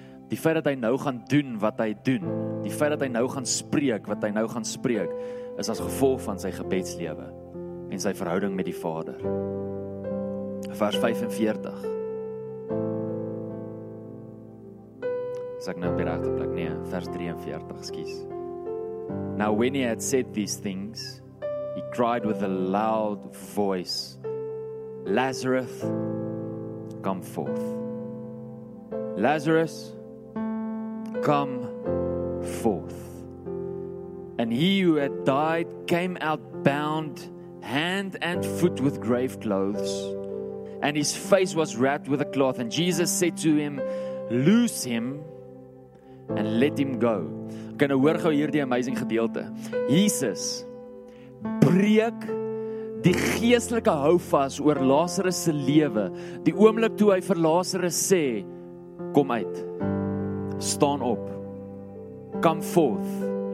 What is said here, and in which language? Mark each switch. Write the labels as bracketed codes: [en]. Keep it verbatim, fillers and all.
[af] Die feit dat hy nou gaan doen wat hy doen, die feit dat hy nou gaan spreek wat hy nou gaan spreek, is as gevolg van sy gebedslewe en sy verhouding met die Vader. Vers vyf en veertig. Is ek nou op die regte plek? Nee, vers drie en veertig, ekskuus. [en] "Now when he had said these things, he cried with a loud voice, Lazarus, come forth. Lazarus, come forth. And he who had died came out bound hand and foot with grave clothes, and his face was wrapped with a cloth. And Jesus said to him, Loose him and let him go." [af] Ek kan nou hoor gou hierdie amazing gedeelte. Jesus breek die geestelike hou vas oor Lazarus se lewe, die oomblik toe hy vir Lazarus sê, "Kom uit, staan op, [en] come forth."